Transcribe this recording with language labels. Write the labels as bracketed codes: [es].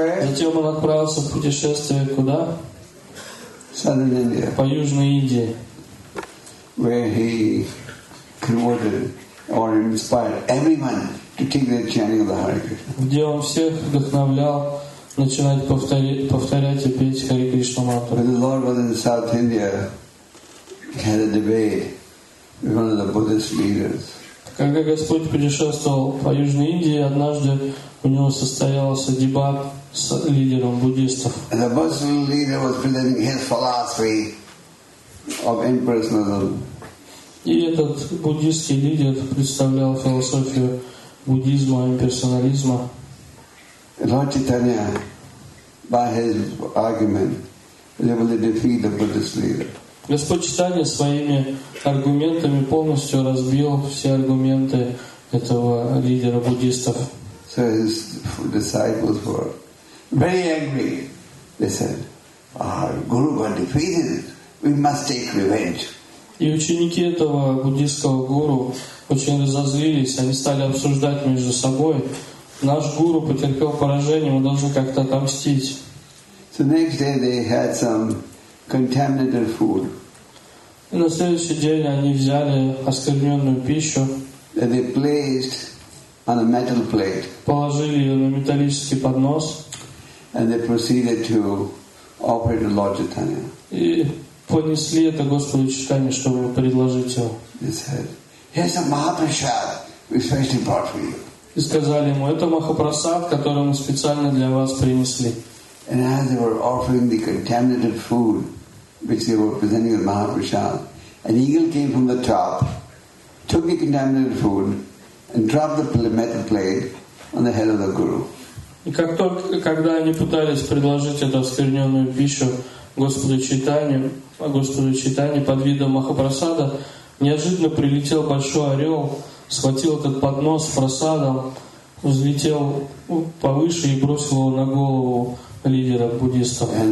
[ru] Затем он отправился в путешествие куда? По Южной Индии. [en] Where he promoted or inspired everyone to take the chanting of the Hare Krishna. [ru] Где он всех вдохновлял начинать повторять и петь Хари Кришна мантру. [en] When the Lord was in South India, he had a debate with one of the Buddhist leaders. [ru] Когда Господь путешествовал по Южной Индии, однажды у него состоялся дебат с лидером буддистов. [en] And the Buddhist leader was presenting his philosophy of impersonalism. [ru] И этот буддийский лидер представлял философию буддизма имперсонализма. [en] Lord Chaitanya, by his argument, was able to defeat the Buddhist leader. [ru] Господь Чайтанья своими аргументами полностью разбил все аргументы этого лидера буддистов. [en] So his disciples were very angry. They said, "Our guru was defeated. We must take revenge." [ru] И ученики этого буддийского гуру очень разозлились. Они стали обсуждать между собой: наш гуру потерпел поражение, мы должны как-то отомстить. [en] So next day they had some contaminated food. [ru] И на следующий день они взяли оскверненную пищу. [en] And they placed on a metal plate. [ru] Положили ее на металлический поднос. [en] And they proceeded to offer to Lord Chaitanya. [ru] И понесли это Господу Чайтанье, чтобы предложить его. [en] Said, "Here's a Mahaprasad we specially brought for you." [ru] И сказали ему: "Это Махапрасад, который мы специально для вас принесли." [en] And as they were offering the contaminated food, which they were presenting the Mahaprasad, an eagle came from the top, took the contaminated food, and dropped the metal plate on the head of the guru. [ru] И как только, когда они пытались предложить эту оскверненную пищу Господу Чайтанье под видом Махапрасада, неожиданно прилетел большой орел, схватил этот поднос с прасадом, взлетел повыше и бросил его на голову лидера буддистов.